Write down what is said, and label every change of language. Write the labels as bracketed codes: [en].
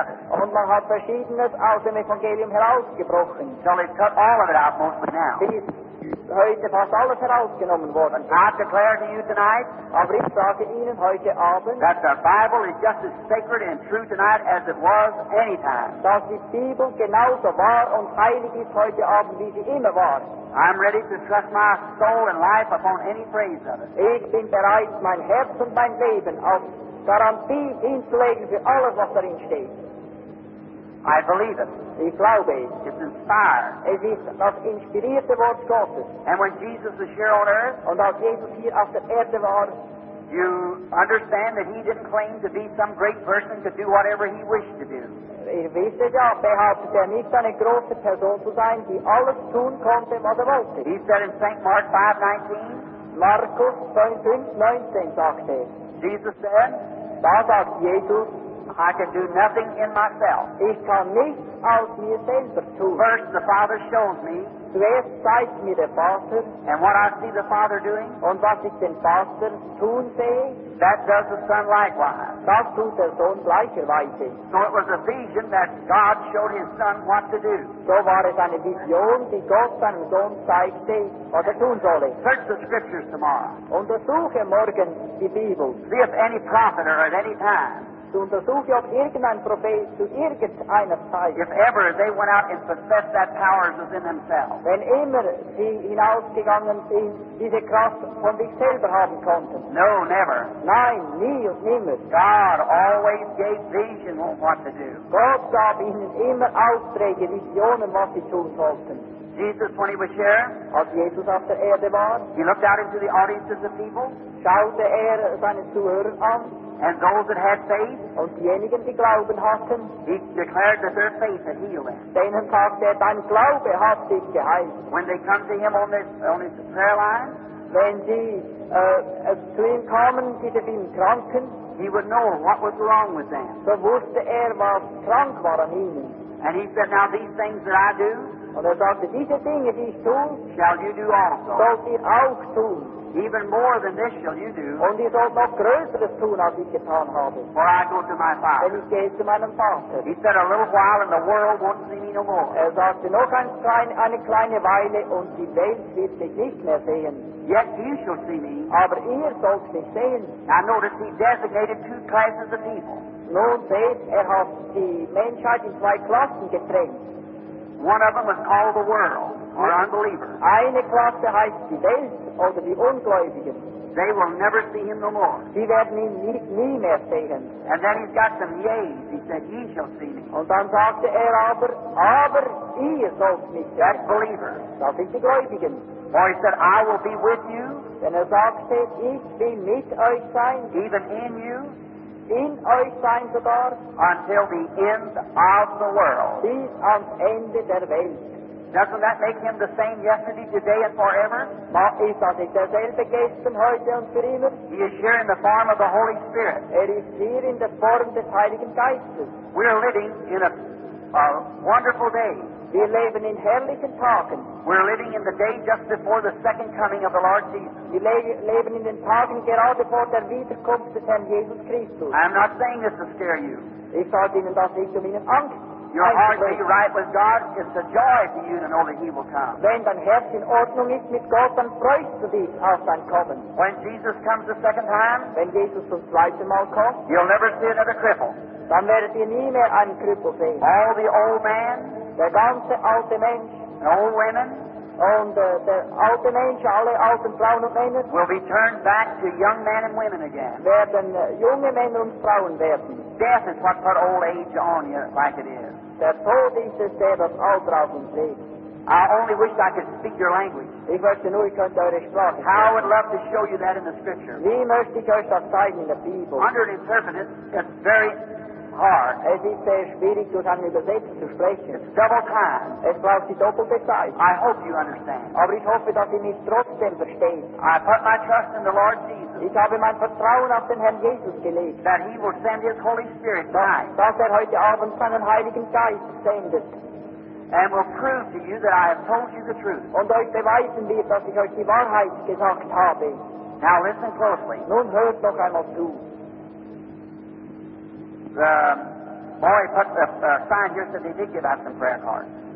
[de] Und man hat Verschiedenes aus dem Evangelium herausgebrochen. [en] So they cut all of it out mostly now. [de] Heute fast alles herausgenommen worden. [en] And I declare to you tonight, [de] aber ich sage Ihnen heute Abend, [en] that the Bible is just as sacred and true tonight as it was any time. [de] Dass die Bibel genauso wahr und heilig ist heute Abend, wie sie immer war. [en] I'm ready to trust my soul and life upon any phrase of it. [de] Ich bin bereit, mein Herz und mein Leben auf Garantie hinzulegen für alles, was darin steht. [en] I believe it. [de] Ich glaube es. [en] It's inspired. [de] Es ist das inspirierte Wort Gottes. [en] And when Jesus was here on earth, [de] und als Jesus hier auf der Erde war, [en] you understand that he didn't claim to be some great person to do whatever he wished to do. [de] Ihr wisst es ja, behauptete er nicht, eine große Person zu sein, die alles tun konnte, was er wollte. [en] He said in St. Mark 5:19, [de] Markus 5:19 sagte, [en] Jesus said, [de] da sagt Jesus, [en] I can do nothing in myself. [de] Ich kann nichts aus mir selber tun. [en] First, the Father shows me. [de] Zuerst zeigt mir der Vater. [en] And what I see the Father doing. [de] Und was ich den Vater tun sehe. [en] That does the Son likewise. [de] Das tut der Sohn gleicherweise. [en] So it was a vision that God showed his Son what to do. [de] So war es eine Vision, die Gott seinem Sohn zeigte, was er tun solle. [en] Search the Scriptures tomorrow. [de] Untersuche morgen die Bibel. [en] See if any prophet or at any time. [de] Untersuche, ob irgendein Prophet zu irgendeiner Zeit, [en] if ever they went out and possessed that power within themselves, [de] wenn immer sie hinausgegangen sind, diese Kraft von sich selber haben konnten. [en] No, never. [de] Nein, nie und nimmer. [en] God always gave vision on what to do. [de] Gott gab ihnen immer Aufträge, Visionen, was sie tun sollten. [en] Jesus, when he was here, [de] als Jesus auf der Erde war, [en] he looked out into the audiences of people, [de] schaute er seine Zuhörer an, [en] and those that had faith, [de] und diejenigen, die Glauben hatten, [en] he declared that their faith had healed them. [de] Denen sagte er, dein Glaube hat dich geheilt. [en] When they come to him on his prayer line, [de] wenn sie zu ihm kamen, diese vielen Kranken, [en] he would know what was wrong with them. [de] So wusste er, was krank war an ihnen. [en] And he said, now these things that I do, [de] und er sagte, diese Dinge, die ich tue, [en] shall you do also. [de] Sollt ihr auch tun. [en] Even more than this shall you do. [de] Und ihr sollt noch Größeres tun, als ich getan habe. [en] For I go to my Father. [de] Denn ich gehe zu meinem Vater. [en] He said, a little while and the world won't see me no more. [de] Er sagte, noch eine kleine Weile und die Welt wird mich nicht mehr sehen. [en] Yet you shall see me. [de] Aber ihr sollt mich sehen. [en] Now notice he designated two classes of people. [de] Nun seht, er hat die Menschheit in zwei Klassen getrennt. [en] One of them was called the world, or unbelievers. [de] Eine Klasse heißt die Welt oder die Ungläubigen. [en] They will never see him no more. [de] Sie werden ihn nie mehr sehen. [en] And then he's got some yeas. He said, ye shall see me. [de] Und dann sagte er aber ihr sollt mich sehen. [en] That's believers. [de] Das sind die Gläubigen. [en] For he said, I will be with you. [de] Denn er sagte, ich will mit euch sein. [en] Even in you. [de] In euch sein sogar. [en] Until the end of the world. [de] Bis ans Ende der Welt. [en] Doesn't that make him the same yesterday, today, and forever? [de] Ist er nicht derselbe gestern, heute und für immer? [en] He is here in the form of the Holy Spirit. [de] Er ist hier in der Form des Heiligen Geistes. [en] We are living in a wonderful day. [de] Wir leben in herrlichen Tagen. [en] We're living in the day just before the second coming of the Lord Jesus. [de] Wir leben in den Tagen gerade vor der Wiederkunft des Herrn Jesus Christus. [en] I'm not saying this to scare you. [de] Ich sage Ihnen das nicht, um Ihnen Angst. [en] Your heart be right with God, it's a joy to you to know that He will come. [de] Wenn dein Herz in Ordnung ist mit Gott, dann freust du dich auf dein Kommen. [en] When Jesus comes the second time, [de] wenn Jesus zum zweiten Mal kommt, [en] you'll never see another cripple. [de] Dann werdet ihr nie mehr einen Krüppel sehen. [en] All the old man, [de] der ganze alte Mensch, [en] and old women, [de] und der alte Mensch, alle alten Frauen und Männer, [en] will be turned back to young men and women again. [de] Werden junge Männer und Frauen werden. [en] Death is what put old age on you, like it is. [de] Der Tod ist es, der das Alter auf uns legt. [en] I only wish I could speak your language. [de] Ich möchte nur, ich könnte eure Sprache. [en] How I would love to show you that in the Scripture. [de] Wie möchte ich euch das zeigen in der Bibel? [en] Under an interpreter, it's very hard. [de] Es ist sehr schwierig, durch einen Übersetzer zu sprechen. [en] It's double time. [de] Es braucht die doppelte Zeit. [en] I hope you understand. [de] Aber ich hoffe, dass ihr mich trotzdem versteht. [en] I put my trust in the Lord Jesus. [de] Ich habe mein Vertrauen auf den Herrn Jesus gelegt. [en] That He will send His Holy Spirit tonight. [de] Dass er heute Abend seinen Heiligen Geist sendet. [en] And will prove to you that I have told you the truth. [de] Und euch beweisen wird, dass ich euch die Wahrheit gesagt habe. [en] Now listen closely. [de] Nun hört noch einmal zu. [en] The boy put the sign here so they did give out some prayer cards.